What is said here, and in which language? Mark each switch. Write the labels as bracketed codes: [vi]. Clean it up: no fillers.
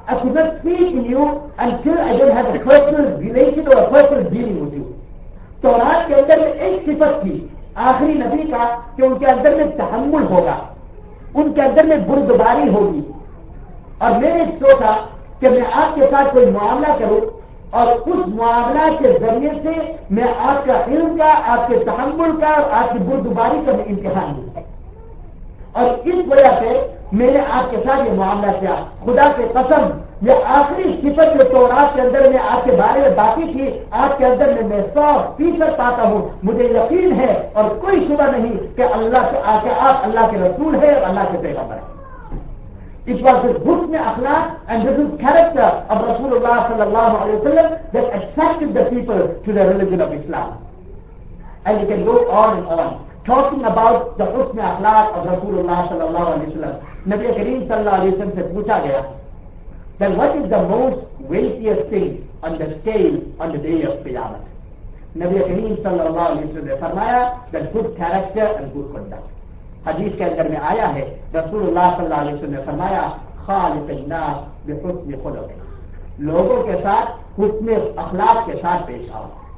[en] I could not speak in you until I don't have a personal relation or a personal dealing with you. [ur] تورات کے اندر میں ایک صفت تھی آخری نبی کا کہ ان کے اندر میں تحمل ہوگا, ان کے اندر میں بردباری ہوگی. اور میں نے سوچا کہ میں آپ کے ساتھ کوئی معاملہ کروں اور اس معاملہ کے ذریعے سے میں آپ کا علم کا, آپ کے تحمل کا اور آپ کی بردباری کا میں امتحان لوں. اور اس وجہ سے میں نے آپ کے ساتھ یہ معاملہ کیا. خدا کے قسم یہ آخری صفت جو تورات کے اندر میں آپ کے بارے میں باقی تھی, آپ کے اندر میں 100% پاتا ہوں. مجھے یقین ہے اور کوئی شبہ نہیں کہ اللہ کے آپ اللہ کے رسول ہیں اور اللہ کے پیغمبر ہیں. [en] It was this husni akhlaq and this is character of Rasulullah sallallahu alayhi wa sallam that attracted the people to the religion of Islam. And you can go on and on, talking about the husni akhlaq of Rasulullah sallallahu alayhi wa sallam. Nabi Kareem sallallahu alayhi wa sallam said, [ur] pucha gaya, [en] then what is the most weightiest thing on the scale on the day of Qiyamah? Nabi Kareem sallallahu alayhi wa sallam [ur] farmaya [en] that good character and good conduct. [ur] حدیث کے اندر میں آیا ہے رسول اللہ صلی اللہ علیہ وسلم نے فرمایا [ar] خالق الناس بحسن خلق, [ur] لوگوں کے ساتھ حسن اخلاق کے ساتھ پیش آؤ.